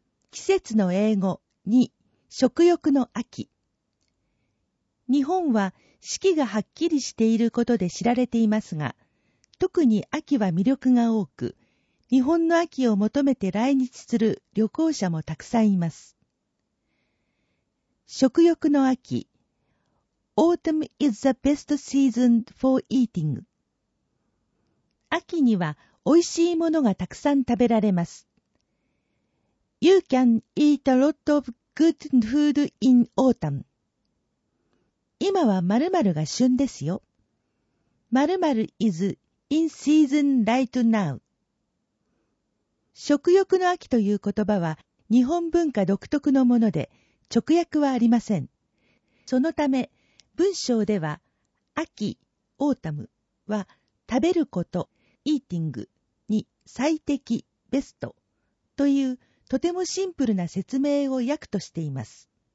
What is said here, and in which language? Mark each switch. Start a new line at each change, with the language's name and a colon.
Japanese: 季節の英語2、食欲の秋。日本は四季がはっきりしていることで知られていますが、特に秋は魅力が多く、日本の秋を求めて来日する旅行者もたくさんいます。食欲の秋。
English: Autumn is the best season for eating.
Japanese: 秋には美味しいものがたくさん食べられます。
English: You can eat a lot of good food in autumn.
Japanese: 今は〇〇が旬ですよ。
English: 〇〇 is in season right now.
Japanese: 食欲の秋という言葉は日本文化独特のもので直訳はありません。そのため、文章では、秋、オータムは、食べること、イーティングに最適、ベストというとてもシンプルな説明を訳としています。